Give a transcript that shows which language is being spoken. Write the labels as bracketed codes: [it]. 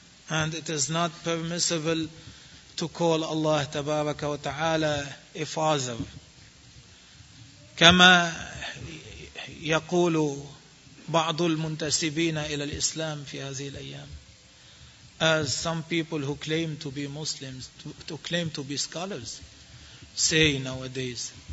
[en] And it is not permissible to call Allah تبارك وتعالى a father. [ar] كما يقول بعض المنتسبين إلى الإسلام في هذه الأيام. [en] As some people who claim to be Muslims, to claim to be scholars, say nowadays.